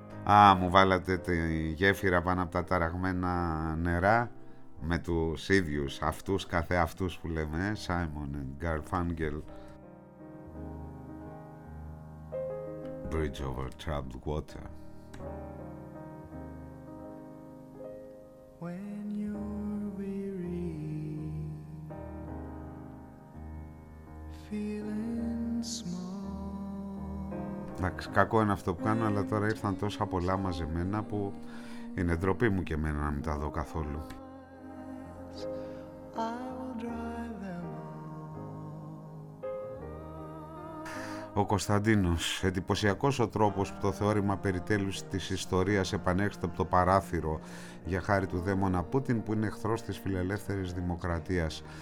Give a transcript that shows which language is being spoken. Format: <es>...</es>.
<el>Α, μου βάλατε τη γέφυρα πάνω από τα ταραγμένα νερά με τους ίδιους αυτούς καθεαυτούς που λέμε, Simon & Garfunkel, Bridge Over Troubled Water.</el> <en>When you're weary, feeling small.</en> <el>Εντάξει, κακό είναι αυτό που κάνω, αλλά τώρα ήρθαν τόσα πολλά μαζεμένα που είναι ντροπή μου και εμένα να μην τα δω καθόλου. Ο Κωνσταντίνος, εντυπωσιακός ο τρόπος που το θεώρημα περί τέλους της ιστορίας επανέρχεται από το παράθυρο για χάρη του δαίμονα Πούτιν, που είναι εχθρός της φιλελεύθερης δημοκρατίας.</el>